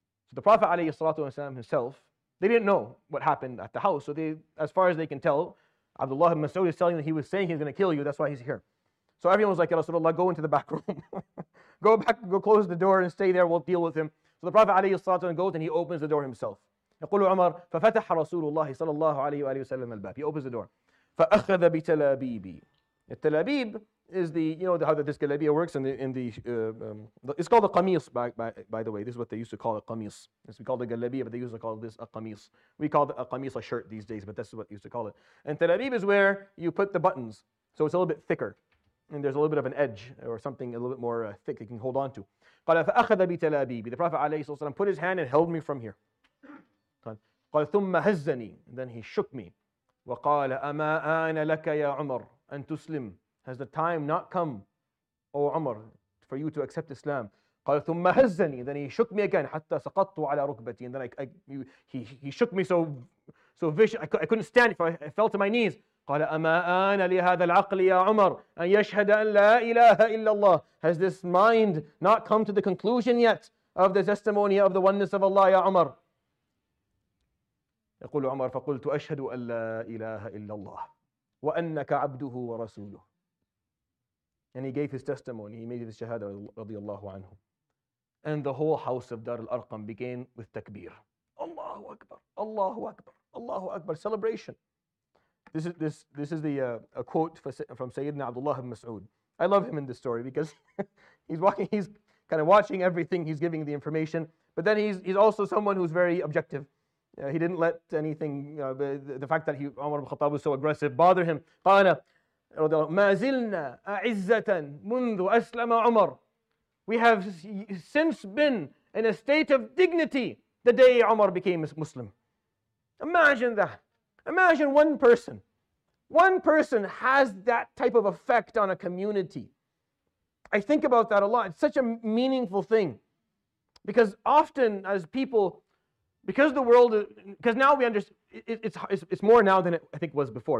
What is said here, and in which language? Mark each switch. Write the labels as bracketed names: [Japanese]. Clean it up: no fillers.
[English] So the Prophet alayhi salatu wasalam himself, they didn't know what happened at the house. So they, as far as they can tell, Abdullah ibn Mas'ud is telling them he was saying he's going to kill you, that's why he's here. So everyone was like, Ya Rasulullah, go into the back room. Go back, go close the door and stay there, we'll deal with him. So the Prophet alayhi salatu wasalam goes and he opens the door himself. [Arabic] يقول عمر ففتح رسول الله صلى الله عليه وآله وسلم الباب. [English] He opens the door. [Arabic] فأخذ بتلابيبي. [English] التلابيب is the, you know, how the discalabia works in the it's called a qamis by the way. This is what they used to call a qamis. It's called a galabia, but they used to call this a qamis. We call it a qamis a shirt these days, but that's what they used to call it. And telabib is where you put the buttons, so it's a little bit thicker, and there's a little bit of an edge or something a little bit more thick you can hold on to. [Arabic] قال فأخذ بتلابيبي. [English] The Prophet [Arabic] عليه الصلاة والسلام [English] put his hand and held me from here. [Arabic] قال ثم هزني. [English] Then he shook me. [Arabic] وقال أما آن لك يا عمر أن تسلم. [English] Has the time not come, O Umar, for you to accept Islam? [Arabic] قال ثم هزني. [English] Then he shook me again. [Arabic] حتى سقطت على ركبتي. [English] And then he shook me so vicious. I couldn't stand it. I fell to my knees. [Arabic] قال أما آن لهذا العقل يا عمر أن يشهد أن لا إله إلا الله. [English] Has this mind not come to the conclusion yet of the testimony of the oneness of Allah, [Arabic] يا عمر؟ يقول عمر فقلت أشهد أن لا إله إلا الله وأنك عبده ورسوله. [English] And he gave his testimony, he made his shahada radiallahu anhu. And the whole house of Dar al-Arqam began with takbir. Allahu Akbar, Allahu Akbar, Allahu Akbar, celebration. This is a quote from Sayyidina Abdullah ibn Mas'ud. I love him in this story because he's kind of watching everything, he's giving the information. But then he's also someone who's very objective. He didn't let anything, the fact that Umar ibn Khattab was so aggressive bother him. [Arabic] ما زلنا أعزة منذ أسلم عمر. [English] We have since been in a state of dignity the day Umar became Muslim. Imagine that. Imagine one person. One person has that type of effect on a community. I think about that a lot. It's such a meaningful thing. Because often as people, because the world, because now we understand, It's more now than it, I think, was before.